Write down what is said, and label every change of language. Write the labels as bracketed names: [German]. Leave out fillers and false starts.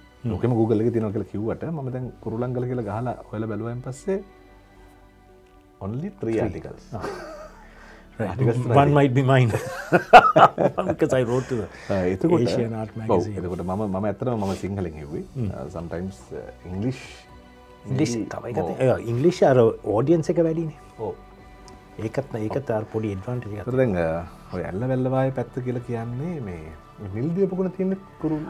[Sinhala] ලෝකෙම Google එකේ තියෙනවා කියලා කිව්වට මම දැන් කුරුලංගල කියලා ගහලා ඔයලා බැලුවෙන් පස්සේ [English] only 3 articles. Right. One might be mine. Because I wrote to the Asian art magazine. [Sinhala] එතකොට මම ඇත්තටම මම සිංහලෙන් හෙව්වේ. [English] Sometimes English. [Sinhala] English තමයි කතා. English අර audience එක වැඩිනේ. ඔව්. ඒකත් අර පොඩි advantage එකක්. දැන් ඔය ඇල්ල වැල්ල වායේ පැත්ත කියලා කියන්නේ මේ නිල්දිය පොකුණ තියෙන කුරු.